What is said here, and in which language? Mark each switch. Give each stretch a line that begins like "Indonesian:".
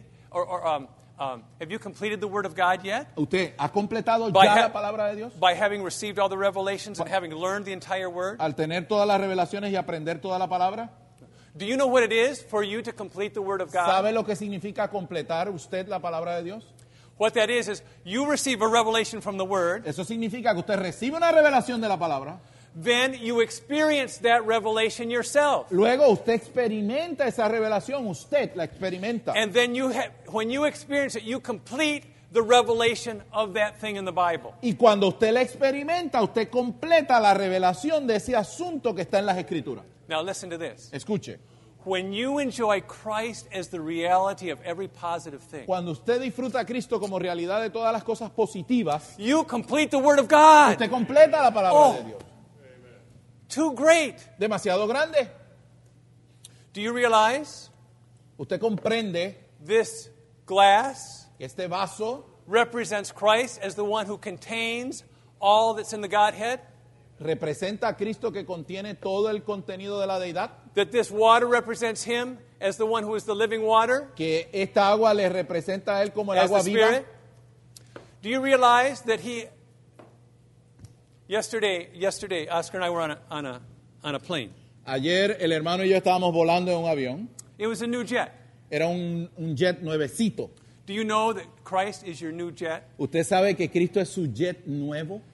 English: Have you completed the Word of God yet?
Spanish: ¿Usted ha completado ya la palabra de Dios?
English: By having received all the revelations and having learned the entire Word?
Spanish: Al tener todas las revelaciones y aprender toda la palabra.
English: Do you know what it is for you to complete the Word of God?
Spanish: ¿Sabe lo que significa completar usted la palabra de Dios?
English: What that is you receive a revelation from the Word.
Spanish: Eso significa que usted recibe una revelación de la palabra.
English: Then you experience that revelation yourself.
Spanish: Luego usted experimenta esa revelación, usted la experimenta.
English: And then when you experience it, you complete the revelation of that thing in the Bible.
Spanish: Y cuando usted la experimenta, usted completa la revelación de ese asunto que está en las Escrituras.
English: Now listen to this.
Spanish: Escuche.
English: When you enjoy Christ as the reality of every positive thing.
Spanish: Cuando usted disfruta a Cristo como realidad de todas las cosas positivas.
English: You complete the Word of God.
Spanish: Usted completa la palabra de Dios.
English: Amen. Too great.
Spanish: Demasiado grande.
English: Do you realize?
Spanish: Usted comprende.
English: This glass.
Spanish: Este vaso.
English: Represents Christ as the one who contains all that's in the Godhead.
Spanish: ¿Representa a Cristo que contiene todo el contenido de la Deidad?
English: That this water represents him as the one who is the living water.
Spanish: ¿Que esta agua le representa a él como el agua viva?
English: Do you realize that he... Yesterday, Oscar and I were on a plane.
Spanish: Ayer, el hermano y yo estábamos volando en un avión.
English: It was a new jet.
Spanish: Era un jet nuevecito.
English: Do you know that Christ is your new jet?
Spanish: ¿Usted sabe que Cristo es su jet nuevo?